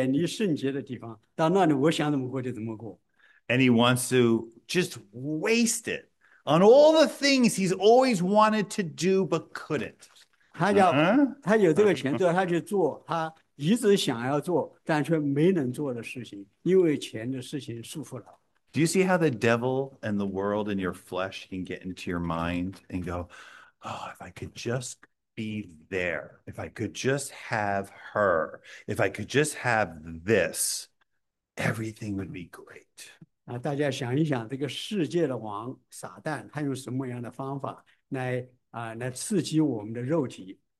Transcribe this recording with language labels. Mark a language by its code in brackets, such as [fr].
[en] and he wants to just waste it on all the things he's always wanted to do but couldn't. [zh] 他有这个钱做他一直想要做但却没能做的事情，因为钱的事情束缚了。 [en] Do you see how the devil and the world and your flesh can get into your mind and go, oh, if I could just be there, if I could just have her, if I could just have this, everything would be great. [zh] 大家想一想这个世界的王撒旦他用什么样的方法来刺激我们的肉体。